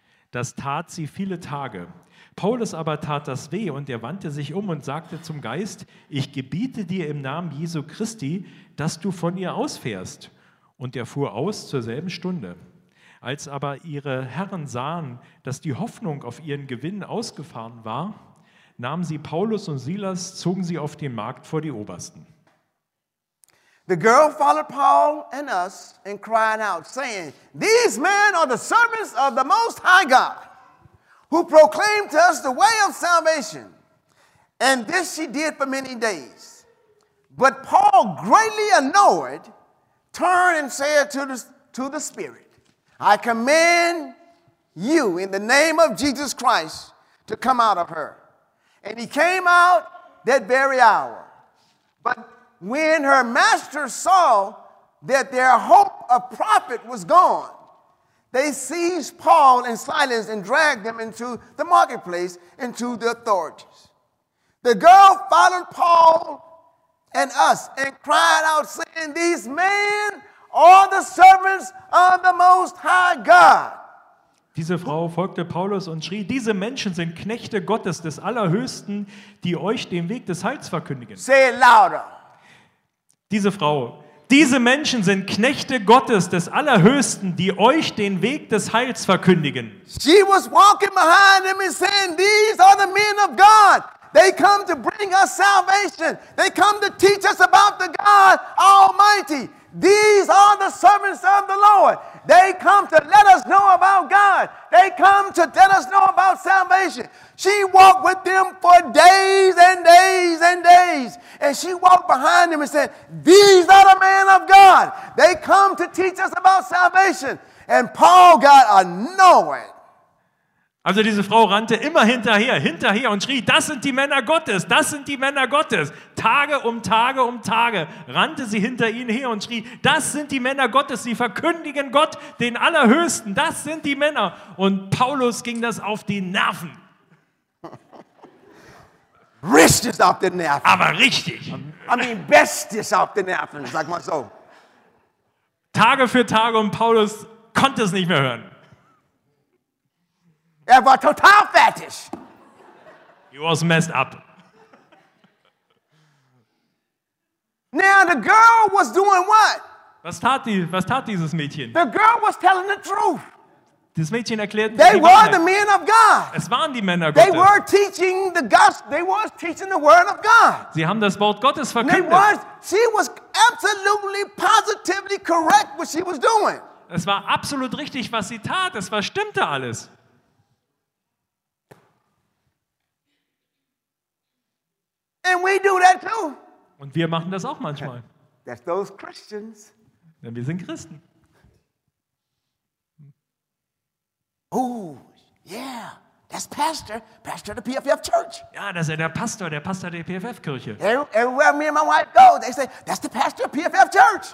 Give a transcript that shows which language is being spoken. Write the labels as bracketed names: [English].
[German] Das tat sie viele Tage. Paulus aber tat das weh, und er wandte sich um und sagte zum Geist: Ich gebiete dir im Namen Jesu Christi, dass du von ihr ausfährst. Und er fuhr aus zur selben Stunde. Als aber ihre Herren sahen, dass die Hoffnung auf ihren Gewinn ausgefahren war, nahmen sie Paulus und Silas, zogen sie auf den Markt vor die Obersten. [English] The girl followed Paul and us and cried out, saying, These men are the servants of the Most High God, who proclaimed to us the way of salvation. And this she did for many days. But Paul, greatly annoyed, turned and said to the Spirit, I command you in the name of Jesus Christ to come out of her. And he came out that very hour. But when her master saw that their hope of profit was gone, they seized Paul and Silas and dragged them into the marketplace, into the authorities. The girl followed Paul and us and cried out, saying, These men are the servants of the Most High God. [German] Diese Frau folgte Paulus und schrie: Diese Menschen sind Knechte Gottes des Allerhöchsten, die euch den Weg des Heils verkündigen. [English] Say it louder. [German] Diese Frau, diese Menschen sind Knechte Gottes des Allerhöchsten, die euch den Weg des Heils verkündigen. [English] She was walking behind him and saying, These are the men of God. They come to bring us salvation. They come to teach us about the God Almighty. These are the servants of the Lord. They come to let us know about God. They come to let us know about salvation. She walked with them for days and days and days. And she walked behind them and said, These are the men of God. They come to teach us about salvation. And Paul got annoyed. [German] Also diese Frau rannte immer hinterher und schrie, das sind die Männer Gottes, das sind die Männer Gottes. Tage um Tage um Tage rannte sie hinter ihnen her und schrie, das sind die Männer Gottes, sie verkündigen Gott, den Allerhöchsten, das sind die Männer. Und Paulus ging das auf die Nerven. Richtig auf die Nerven. Aber richtig. [English] I mean [German] bestes auf die Nerven, sag mal so. Tage für Tage, und Paulus konnte es nicht mehr hören. Er war total fertig. [English] He was messed up. Now the girl was doing what? [German] Was tat dieses Mädchen? [English] The girl was telling the truth. [German] Das Mädchen erklärte. [English] They were the men of God. [German] Es waren die Männer Gottes. [English] They were teaching the gospel. They were teaching the word of God. [German] Sie haben das Wort Gottes verkündet. [English] She was absolutely, positively correct what she was doing. [German] Es war absolut richtig, was sie tat. Es war stimmte alles. [English] And we do that too. [German] Und wir machen das auch manchmal. [English] That's those Christians. [German] Denn wir sind Christen. [English] Oh, yeah. That's pastor of the PFF church. [German] Ja, das ist der Pastor der PFF-Kirche. [English] Everywhere me and my wife go, they say, that's the pastor of PFF church.